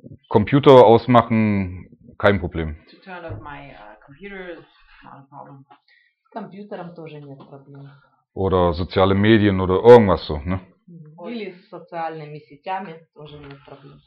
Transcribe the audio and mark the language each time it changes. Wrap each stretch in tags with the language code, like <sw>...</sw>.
<de>Computer ausmachen, kein Problem.</de> <en>To turn off my computer is not a problem.</en> <ru>С компьютером тоже нет проблем.</ru> <de>Oder soziale Medien oder irgendwas so, ne?</de> <ru>Или с социальными сетями тоже нет проблем.</ru>